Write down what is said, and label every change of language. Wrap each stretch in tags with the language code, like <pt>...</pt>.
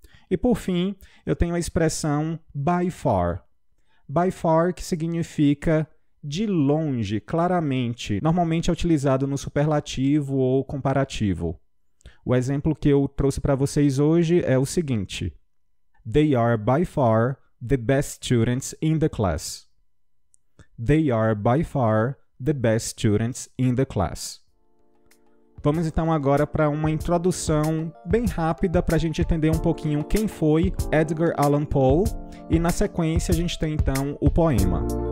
<pt>E, por fim, eu tenho a expressão</pt> <en>by far. By far,</en> <pt>que significa de longe, claramente, normalmente é utilizado no superlativo ou comparativo. O exemplo que eu trouxe para vocês hoje é o seguinte.</pt> <en>They are by far the best students in the class. They are by far the best students in the class.</en> <pt>Vamos então agora para uma introdução bem rápida para a gente entender um pouquinho quem foi Edgar Allan Poe e na sequência a gente tem então o poema.</pt>